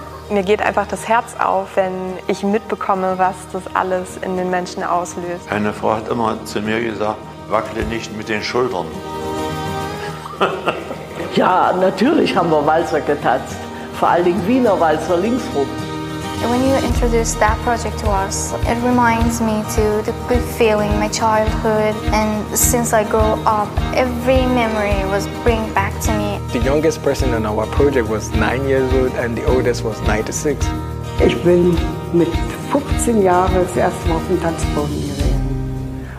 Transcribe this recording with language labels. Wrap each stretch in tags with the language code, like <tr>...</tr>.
<de>Mir geht einfach das Herz auf, wenn ich mitbekomme, was das alles in den Menschen auslöst. Eine Frau hat immer zu mir gesagt, wackle nicht mit den Schultern. Ja, natürlich haben wir Walzer getanzt. Vor allen Dingen Wiener Walzer linksrum.</de> <en>When you introduced that project to us, it reminds me to the good feeling, my childhood. And since I grew up, every memory was bring back to me. The youngest person on our project was 9 years old and the oldest was 96.</en> <de>Ich bin mit 15 Jahren das erste Mal auf dem Tanzboden gewesen.</de>